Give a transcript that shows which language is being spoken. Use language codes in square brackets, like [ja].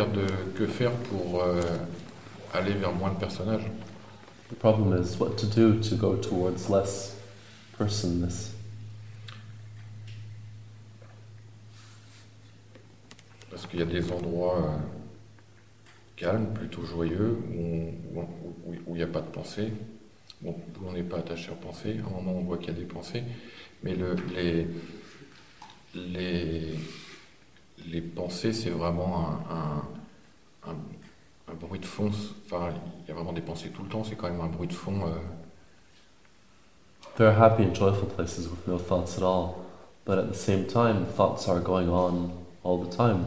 [fr] Le problème, c'est que faire pour aller vers moins de personnages. [en] The problem is what to do to go towards less personness. [fr] Parce qu'il y a des endroits calmes, plutôt joyeux, où il n'y a pas de pensée. Bon, où on n'est pas attaché aux pensées. À un moment, on voit qu'il y a des pensées, mais les pensées, c'est vraiment un bruit de fond. Enfin, il y a vraiment des pensées tout le temps. C'est quand même un bruit de fond. [en] There are happy and joyful places with no thoughts at all, but at the same time, thoughts are going on all the time.